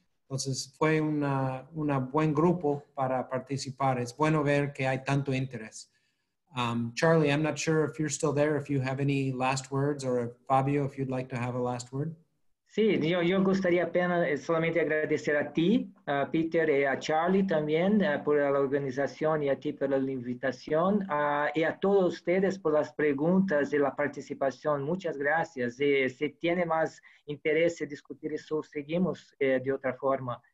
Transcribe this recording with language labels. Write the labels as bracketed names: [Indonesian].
[Spanish] Entonces fue un buen grupo para participar. Es bueno ver que hay tanto interés. [English] Charlie, I'm not sure if you're still there, if you have any last words, or if Fabio, if you'd like to have a last word. [Spanish] Sí, yo gustaría solamente agradecer a ti, a Peter y a Charlie también por la organización y a ti por la invitación y a todos ustedes por las preguntas y la participación. Muchas gracias. Si tiene más interés en discutir eso, seguimos de otra forma.